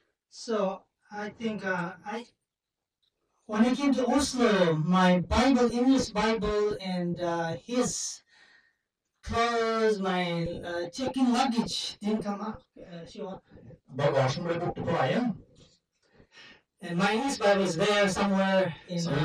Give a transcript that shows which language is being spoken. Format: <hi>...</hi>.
<en>So I think when I came to Oslo, my Bible, English Bible, and his clothes, my check-in luggage didn't come up.</en> <no>Bagasjen ble borte på veien.</no> <en>And my English Bible is there somewhere in</en>